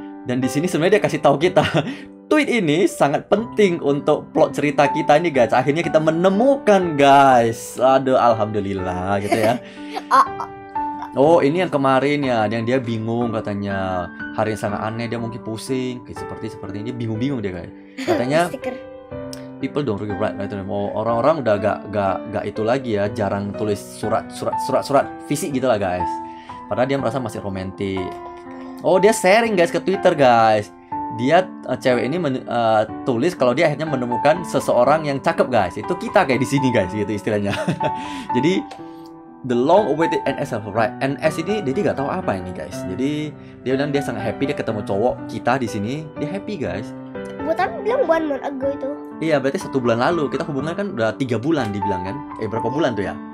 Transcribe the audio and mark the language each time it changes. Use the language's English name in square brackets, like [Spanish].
[Indonesian] Dan di sini sebenarnya dia kasih tahu kita tweet ini sangat penting untuk plot cerita kita ini, guys. Akhirnya kita menemukan, guys. Aduh, alhamdulillah gitu ya. Oh, ini yang kemarin ya, yang dia bingung katanya. Hari yang sangat aneh, dia mungkin pusing. Kayak seperti ini, bingung-bingung dia, guys. Katanya, [English] people don't really write letter. [Indonesian] Oh, orang-orang udah gak itu lagi ya. Jarang tulis surat fisik gitu lah, guys. Padahal dia merasa masih romantis. Oh, dia sharing, guys, ke Twitter, guys. Dia cewek ini tulis kalau dia akhirnya menemukan seseorang yang cakep, guys. Itu kita kayak di sini, guys, gitu istilahnya. Jadi [English] the long awaited NS have arrived. [Indonesian] NS ini Daddy gak tahu apa ini, guys. Jadi dia bilang dia sangat happy dia ketemu cowok kita di sini. Dia happy, guys. Buat tapi bilang [English] 1 month ago [Indonesian] itu. Iya, berarti 1 bulan lalu. Kita hubungan kan udah 3 bulan dibilang kan. Berapa bulan tuh ya?